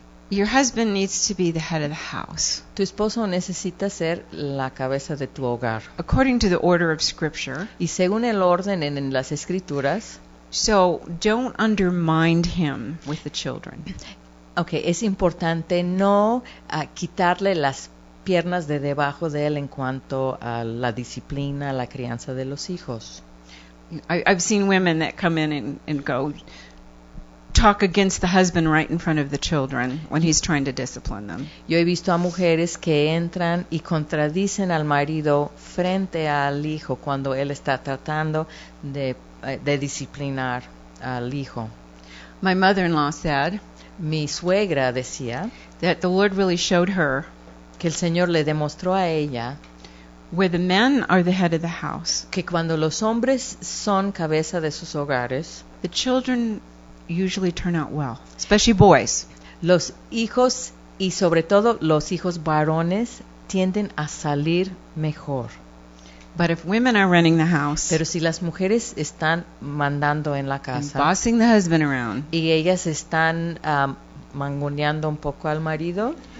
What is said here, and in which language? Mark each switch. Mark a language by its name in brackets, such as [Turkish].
[English] Your husband needs to be the head of the house. [Spanish] Tu esposo necesita ser la cabeza de tu hogar. [English] According to the order of Scripture. [Spanish] Y según el orden en las Escrituras. [English] So don't undermine him with the children. [Spanish] Okay, es importante no quitarle las piernas de debajo de él en cuanto a la disciplina, la crianza de los hijos. [English] I've seen women that come in and go talk against the husband right in front of the children when he's trying to discipline them. [Spanish] Yo he visto a mujeres que entran y contradicen al marido frente al hijo cuando él está tratando de disciplinar al hijo. [English] My mother-in-law said, [Spanish] mi suegra decía, [English] that the Lord really showed her, [Spanish] que el Señor le demostró a ella, [English] where the men are the head of the house, [Spanish] que cuando los hombres son cabeza de sus hogares, [English] the children usually turn out well, especially boys. [Spanish] Los hijos y sobre todo los hijos varones tienden a salir mejor. [English] But if women are running the house, [Spanish] pero si las mujeres están mandando en la casa, [English] and bossing the husband around, [Spanish] y ellas están mangoneando un poco al marido,